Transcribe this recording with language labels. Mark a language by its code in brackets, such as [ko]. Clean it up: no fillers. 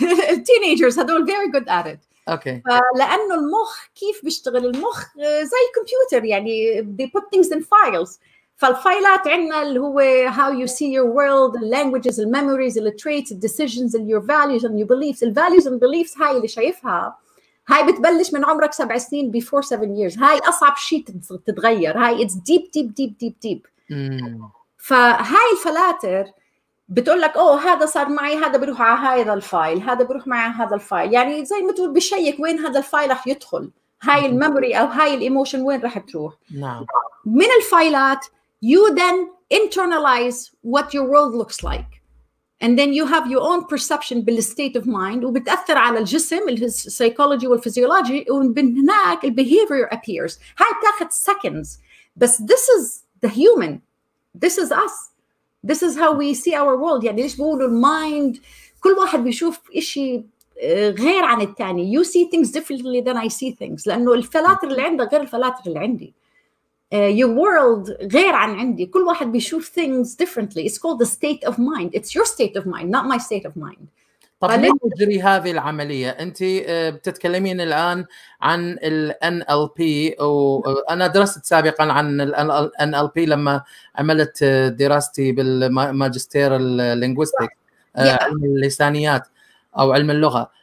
[en] التينيجرز [ar] هذول [en] very good at it. [ar] أوكي. لأنه المخ كيف بيشتغل؟ المخ زي كمبيوتر، يعني [en] they put things in files. [ar] فالفايلات عندنا اللي هو [en] how you see your world, the languages, the memories, the traits, the decisions, and your values and your beliefs. The values and beliefs [ar] هاي اللي شايفها، هاي بتبلش من عمرك 7 سنين، [en] before 7 years. [ar] هاي أصعب شيء تتغير. [en] هاي it's deep deep deep deep deep. [ar] فهاي الفلاتر بتقول لك أوه هذا صار معي، هذا بروح على هذا الفايل، هذا بروح مع هذا الفايل. يعني زي ما تقول بشيك وين هذا الفايل رح يدخل، هاي الميموري أو هاي الإيموشن وين رح تروح. من الفايلات [en] you then internalize what your world looks like. And then you have your own perception بال state of mind، [ar] وبتأثر على الجسم، [en] ال psychology وال physiology، ومن هناك ال behavior appears. [ar] هاي بتاخد [en] seconds، بس this is the human، this is us، this is how we see our world. [ar] يعني ليش بقولوا ال mind؟ كل واحد بيشوف إشي غير عن التاني. [en] You see things differently than I see things، [ar] لأنه الفلاتر اللي عندك غير الفلاتر اللي عندي. [en] Your world [ar] غير عن عندي. كل واحد بيشوف [en] things differently. It's called the state of mind. It's your state of mind, not my state of mind. [ar] طب ليه تجري هذه العملية؟ أنت بتتكلمين الآن عن الـ NLP، وأنا درست سابقاً عن الـ NLP لما عملت دراستي بالماجستير اللينغويستيك، علم اللسانيات أو علم اللغة.